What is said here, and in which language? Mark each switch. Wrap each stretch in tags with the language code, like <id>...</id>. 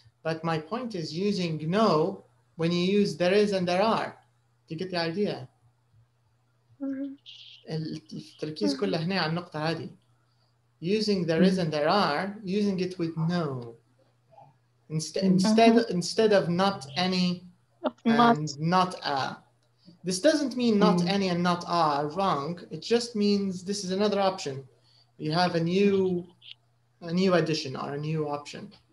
<en>But my point is using no when you use there is and there are. Do you get the idea?</en> <ar>التركيز كله هنا على النقطة هذه.</ar> <en>Using there is and there are, using it with no. Instead of not any and not a. This doesn't mean not any and not a are wrong. It just means this is another option. You have a new addition or a new option.</en>